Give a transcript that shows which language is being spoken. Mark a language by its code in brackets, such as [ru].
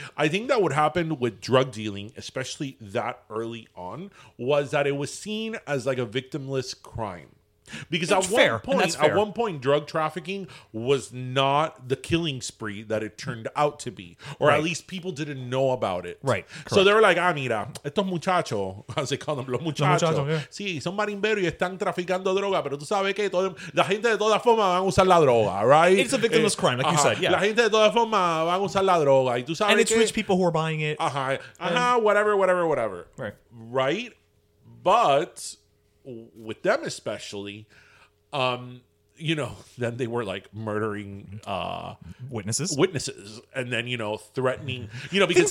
[en] I think that what happened with drug dealing, especially that early on, was that it was seen as like a victimless crime. Because at one point, drug trafficking was not the killing spree that it turned out to be. Or right. At least people didn't know about it. Right. Correct. So they were like, ah, [es] mira, estos muchachos, [en] as they call them, [es] los muchachos. Yeah. Sí, son marimberos y están traficando droga, pero tú sabes que la gente de todas formas van a usar la droga, right? [en] It's a victimless crime, like you said. Yeah. [es] La gente de todas formas van a usar la droga. Y tú sabes [en] and it's rich people who are buying it. Whatever. Right. Right? But with them especially, you know, then they were like murdering witnesses, and then, you know, threatening, you know, because